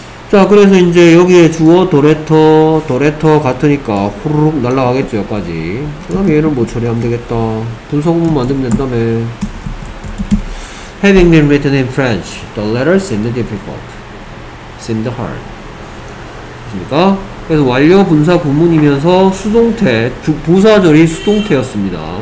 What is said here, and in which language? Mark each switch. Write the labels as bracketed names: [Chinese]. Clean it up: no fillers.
[Korean] 자 그래서 이제 여기에 주어 도레터 같으니까 후루룩 날라가겠죠 여기까지. 그 다음에 얘는 뭐 처리하면 되겠다. 분석문 만들면 된다며. [English] Having been written in French, the letter seemed difficult. Seemed hard. [Korean] 됐습니까? 그래서 완료 분사 구문이면서 수동태, 부사절이 수동태였습니다.